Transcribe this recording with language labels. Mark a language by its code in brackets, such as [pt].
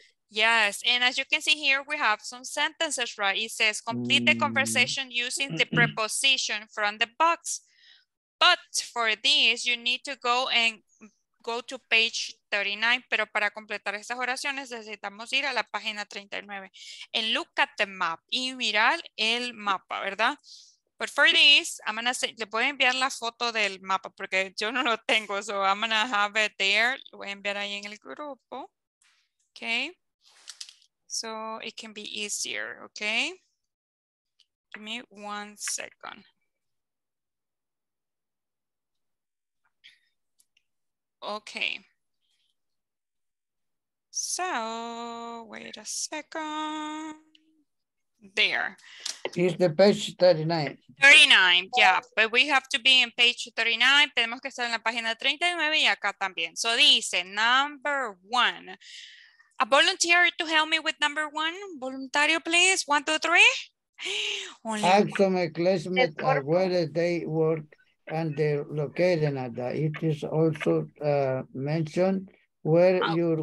[en] Yes, and as you can see here, we have some sentences, right? It says, complete the conversation using the preposition from the box. But for this, you need to go and go to page 39. [es] Pero para completar estas oraciones, necesitamos ir a la página 39. [en] And look at the map. [es] Y mirar el mapa, ¿verdad? [en] But for this, I'm gonna say, [es] le voy a enviar la foto del mapa porque yo no lo tengo. [en] So I'm gonna have it there. [es] Lo voy a enviar ahí en el grupo. [en] Okay. So it can be easier, okay? Give me one second. Okay. So wait a second. There. Is the page 39. 39, yeah. But we have to be in page 39. [es] Tenemos que estar en la página 39 y acá también. [en] So dice, number one. A volunteer to help me with number one. [es] Voluntario, please. 1, 2, 3. [en] Only Axum and Klesmet are where they work and they're located at that. It is also mentioned where your